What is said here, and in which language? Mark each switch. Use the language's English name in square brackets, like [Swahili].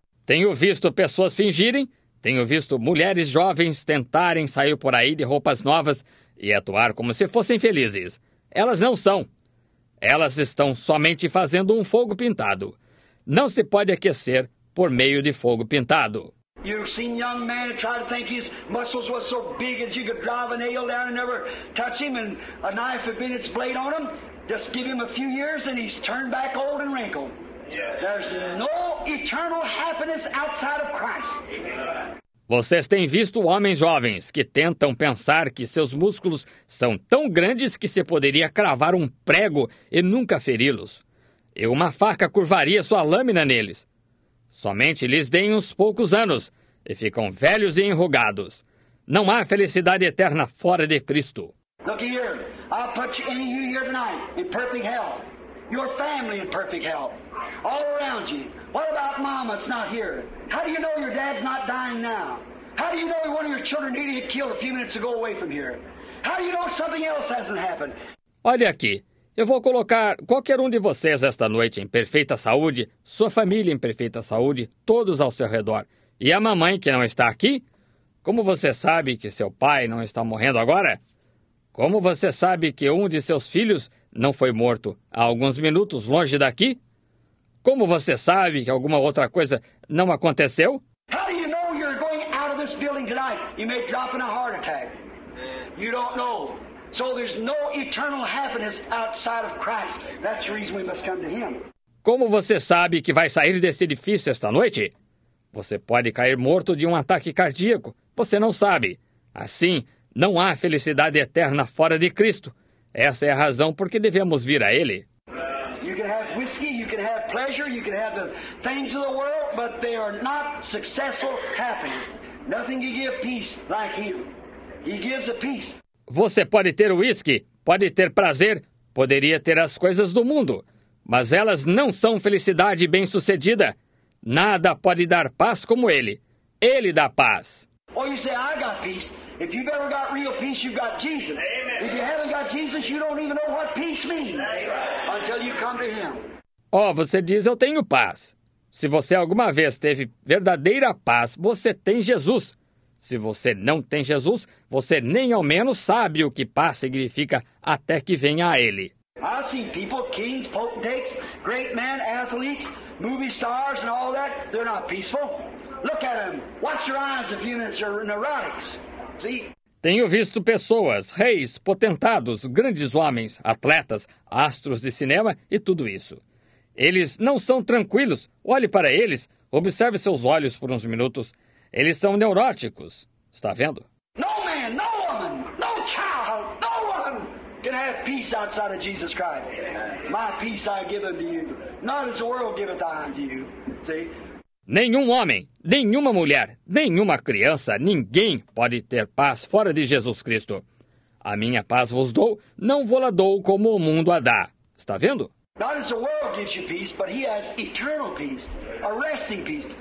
[Portuguese] Tenho visto pessoas fingirem, tenho visto mulheres jovens tentarem sair por aí de roupas novas e atuar como se fossem felizes. Elas não são. Elas estão somente fazendo um fogo pintado. Não se pode aquecer por meio de fogo pintado. [English] You've seen young man try to think his muscles were so big that you could drive a nail down and never touch him and a knife had been its blade on him. Just give him a few years and he's turned back old and wrinkled. There's no eternal happiness outside of Christ. [Portuguese] Vocês têm visto homens jovens que tentam pensar que seus músculos são tão grandes que se poderia cravar um prego e nunca feri-los. E uma faca curvaria sua lâmina neles. Somente lhes deem uns poucos anos e ficam velhos e enrugados. Não há felicidade eterna fora de Cristo. [English] Look here. I'll put you, any of you here tonight in perfect health. Your family in perfect health. All around you. What about Mama that's not here? How do you know your dad's not dying now? How do you know one of your children needed to get killed a few minutes ago away from here? How do you know something else hasn't happened? [Portuguese] Olha aqui. Eu vou colocar qualquer um de vocês esta noite em perfeita saúde, sua família em perfeita saúde, todos ao seu redor. E a mamãe que não está aqui? Como você sabe que seu pai não está morrendo agora? Como você sabe que um de seus filhos não foi morto há alguns minutos longe daqui? Como você sabe que alguma outra coisa não aconteceu? [English] How do you know you're going out of this building tonight? You may drop in a heart attack. You don't know. So there's no eternal happiness outside of Christ. That's the reason we must come to Him. [Portuguese] Como você sabe que vai sair desse edifício esta noite? Você pode cair morto de um ataque cardíaco. Você não sabe. Assim, não há felicidade eterna fora de Cristo. Essa é a razão por que devemos vir a Ele. [English] You can have whiskey, you can have pleasure, you can have the things of the world, but they are not successful happiness. Nothing can give peace like Him. He gives a peace. [Portuguese] Você pode ter whisky, pode ter prazer, poderia ter as coisas do mundo, mas elas não são felicidade bem-sucedida. Nada pode dar paz como ele. Ele dá paz. [English] Oh, you say, I got peace. If you've ever got real peace, you've got Jesus. Amen. If you haven't got Jesus, you don't even know what peace means. Amen. Until you come to Him. [Portuguese] Oh, você diz, eu tenho paz. Se você alguma vez teve verdadeira paz, você tem Jesus. Se você não tem Jesus, você nem ao menos sabe o que paz significa até que venha a Ele. [English] I've seen people, kings, potentates, great men, athletes, movie stars and all that, they're not peaceful. Look at them. Watch your eyes if humans are neurotics. See? [Portuguese] Tenho visto pessoas, reis, potentados, grandes homens, atletas, astros de cinema e tudo isso. Eles não são tranquilos. Olhe para eles, observe seus olhos por uns minutos. Eles são neuróticos. Está vendo? [English] No man, no woman, no child, no one can have peace outside of Jesus Christ. My peace I give unto you. Not as the world giveth I unto you. See? [Portuguese] Nenhum homem, nenhuma mulher, nenhuma criança, ninguém pode ter paz fora de Jesus Cristo. A minha paz vos dou, não vou la dou como o mundo a dá. Está vendo? [English] Not as the world gives you peace, but He has eternal peace, a resting peace.